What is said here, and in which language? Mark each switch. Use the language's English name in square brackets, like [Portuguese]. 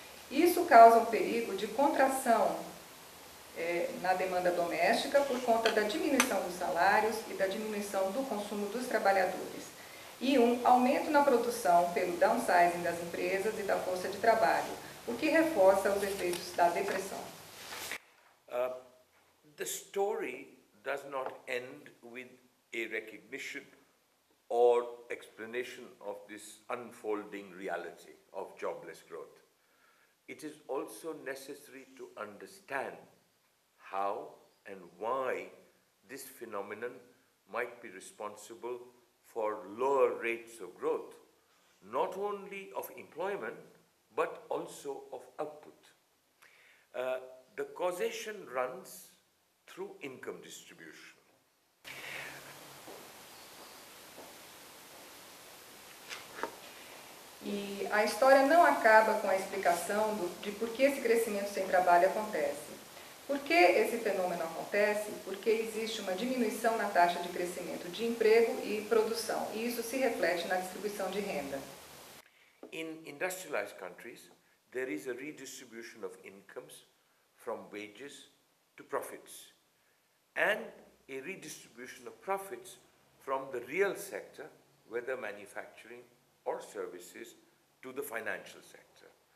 [Portuguese] Isso causa um perigo de contração na demanda doméstica por conta da diminuição dos salários e da diminuição do consumo dos trabalhadores e um aumento na produção pelo downsizing das empresas e da força de trabalho, o que reforça os efeitos da depressão. [English] The story does not end with a recognition or explanation of this unfolding reality of jobless growth. It is also necessary to understand how and why this phenomenon might be responsible for lower rates of growth, not only of employment, but also of output. The causation runs through income distribution. [Portuguese] E a história não acaba com a explicação de por que esse crescimento sem trabalho acontece. Por que esse fenômeno acontece? Porque existe uma diminuição na taxa de crescimento de emprego e produção, e isso se reflete na distribuição de renda. [English] In industrialized countries, there is a redistribution of incomes from wages to profits, and a redistribution of profits from the real sector, whether manufacturing or services, to the financial sector.